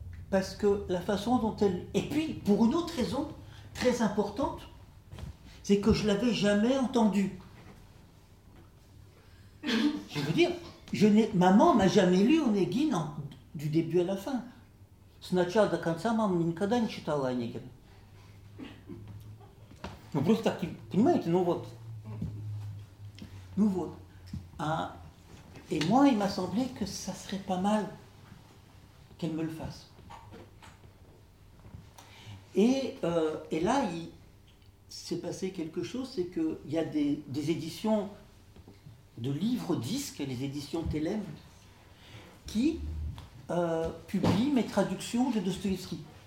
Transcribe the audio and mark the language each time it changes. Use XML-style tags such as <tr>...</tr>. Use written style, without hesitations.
<fr>Parce que la façon dont elle... Et puis, pour une autre raison très importante, c'est que je ne l'avais jamais entendue. Je veux dire, maman m'a jamais lu Onéguine en du début à la fin.</fr> <ru>Сначала до конца мама никогда не читала Онегина. Ну просто так, понимаете, ну вот. Ну вот.</ru> <fr>А, et moi, il m'a semblé que ça serait pas mal qu'elle me le fasse. Et là, il s'est passé quelque chose, c'est qu'il y a des éditions de livres disques, les éditions Télém, qui publient mes traductions de Dostoïevski.</fr>